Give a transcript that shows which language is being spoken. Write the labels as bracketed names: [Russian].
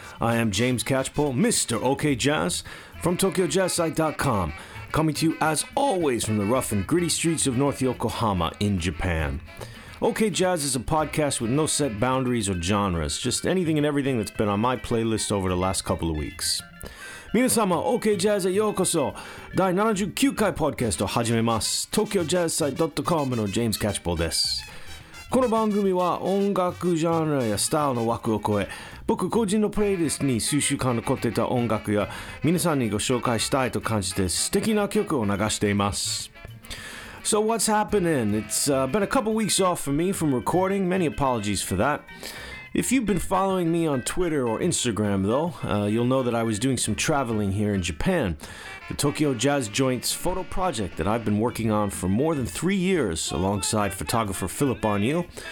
[English] I am James Catchpole, Mr. OK Jazz, from TokyoJazzSite.com, coming to you as always from the rough and gritty streets of North Yokohama in Japan. OK Jazz is a podcast with no set boundaries or genres, just anything and everything that's been on my playlist over the last couple of weeks. [Japanese] 皆様, OK Jazz へようこそ。第79回ポッドキャストを始めます。 TokyoJazzSite.com のジェームズ・キャッチポールです。この番組は音楽ジャンルやスタイルの枠を超え、僕個人のプレイリストに数週間残っていた音楽や皆さんにご紹介したいと感じて素敵な曲を流しています。 [English] So what's happening? It's been a couple weeks off for me from recording. Many apologies for that. If you've been following me on Twitter or Instagram, though, you'll know that I was doing some traveling here in Japan. The Tokyo Jazz Joint's photo project that I've been working on for more than 3 years alongside photographer Philip Arnew.